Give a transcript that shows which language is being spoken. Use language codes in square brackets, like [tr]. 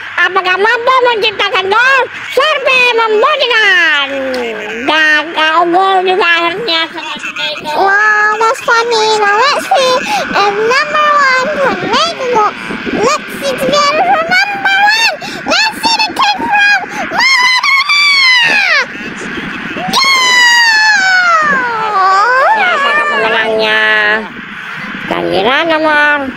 [id] Apakah mampu menciptakan gol? Serve membuktikan. Gagal gol juga akhirnya. [en] Wow, that's funny. Now let's see. And number 1 can make a goal. Let's see together for number 1. Let's see the kick from Maradona. Goal! [id] Siapa pemenangnya? Kira nomor?